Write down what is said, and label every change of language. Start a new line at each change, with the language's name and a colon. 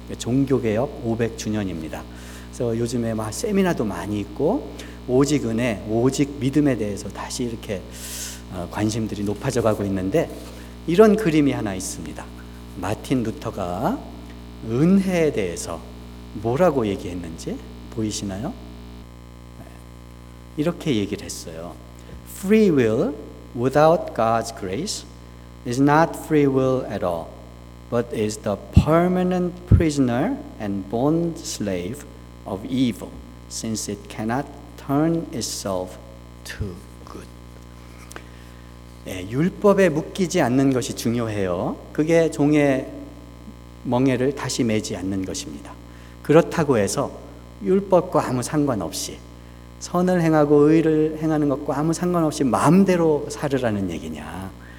Korean: 종교개혁 500주년입니다. 그래서 요즘에 막 세미나도 많이 있고 오직 은혜, 오직 믿음에 대해서 다시 이렇게 관심들이 높아져 가고 있는데, 이런 그림이 하나 있습니다. 마틴 루터가 은혜에 대해서 뭐라고 얘기했는지 보이시나요? 이렇게 얘기를 했어요.
English: Free will without God's grace is not free will at all, but is the permanent prisoner and bond slave of evil, since it cannot turn itself to good.
Korean: 네, 율법에 묶이지 않는 것이 중요해요. 그게 종의 멍에를 다시 매지 않는 것입니다. 그렇다고 해서 율법과 아무 상관없이 선을 행하고 의를 행하는 것과 아무 상관없이 마음대로 살으라는 얘기냐?